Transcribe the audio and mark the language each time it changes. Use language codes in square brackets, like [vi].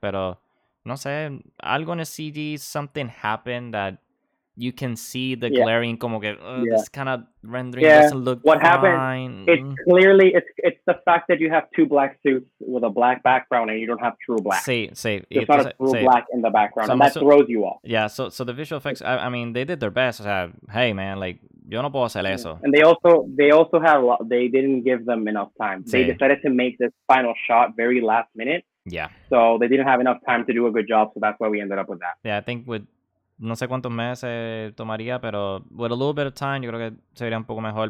[es] Pero, no sé, algo en el CG, [en] something happened that you can see the glaring, [es] como que, [en] this kind of rendering doesn't look what fine. Happened, it's clearly the fact that you have two black suits with a black background and you don't have true black. There's not a true black in the background, and that throws you off. Yeah, so the visual effects, I mean, they did their best. So, hey, man, like, [es] yo no puedo hacer eso. [en] And they also had a lot, they didn't give them enough time. [es] Sí. [en] They decided to make this final shot very last minute. Yeah. So they didn't have enough time to do a good job, so that's why we ended up with that. Yeah, I think with, [es] no sé cuántos meses tomaría, pero [en] with a little bit of time, [es] yo creo que sería un poco mejor.